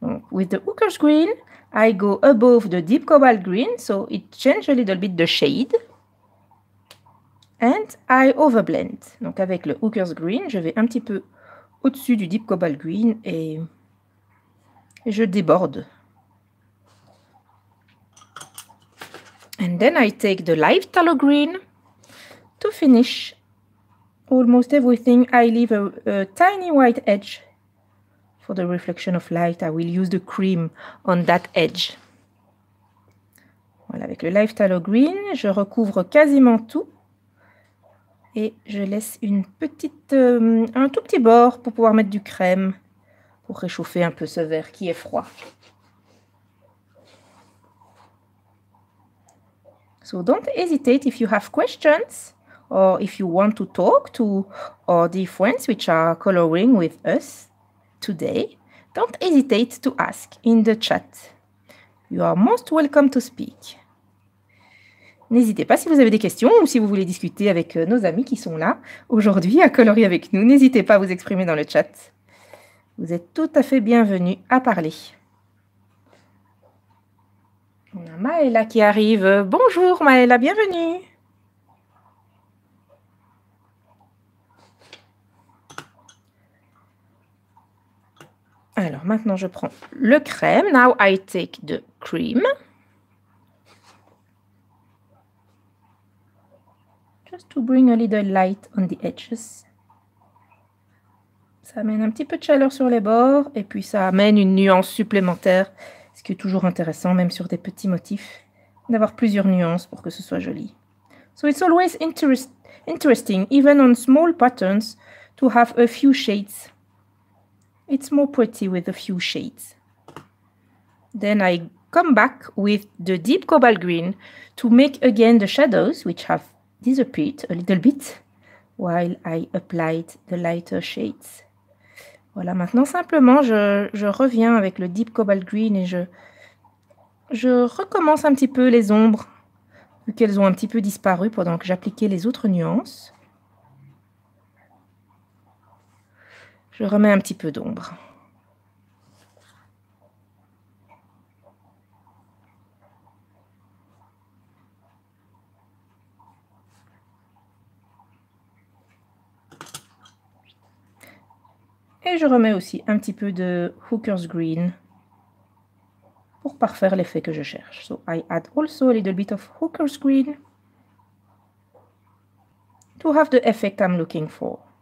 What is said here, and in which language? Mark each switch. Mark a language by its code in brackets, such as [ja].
[en] With the Hooker's Green, I go above the deep cobalt green, so it changes a little bit the shade. And I overblend. [fr] Donc avec le Hooker's Green, je vais un petit peu au-dessus du deep cobalt green et je déborde. [en] And then I take the light tallow green to finish almost everything. I leave a tiny white edge. For the reflection of light, I will use the cream on that edge. [fr] Voilà, avec le Live Tallow Green, je recouvre quasiment tout. Et je laisse un tout petit bord pour pouvoir mettre du crème pour réchauffer un peu ce verre qui est froid. [en] So don't hesitate if you have questions or if you want to talk to our dear friends which are coloring with us. Today, don't hesitate to ask in the chat. You are most welcome to speak. [fr] N'hésitez pas si vous avez des questions ou si vous voulez discuter avec nos amis qui sont là aujourd'hui à colorier avec nous. N'hésitez pas à vous exprimer dans le chat. Vous êtes tout à fait bienvenue à parler. On a Maëla qui arrive. Bonjour Maëla, bienvenue. Alors, maintenant, je prends le crème. [en] Now, I take the cream. Just to bring a little light on the edges. [fr] Ça amène un petit peu de chaleur sur les bords. Et puis, ça amène une nuance supplémentaire. Ce qui est toujours intéressant, même sur des petits motifs, d'avoir plusieurs nuances pour que ce soit joli. [en] So it's always interesting, even on small patterns, to have a few shades. It's more pretty with a few shades. Then I come back with the deep cobalt green to make again the shadows, which have disappeared a little bit, while I applied the lighter shades. [fr] Voilà, maintenant simplement je reviens avec le deep cobalt green et je recommence un petit peu les ombres, vu qu'elles ont un petit peu disparu pendant que j'appliquais les autres nuances. Je remets un petit peu d'ombre. Et je remets aussi un petit peu de Hooker's Green pour parfaire l'effet que je cherche. [en] So I add also a little bit of Hooker's Green to have the effect I'm looking for.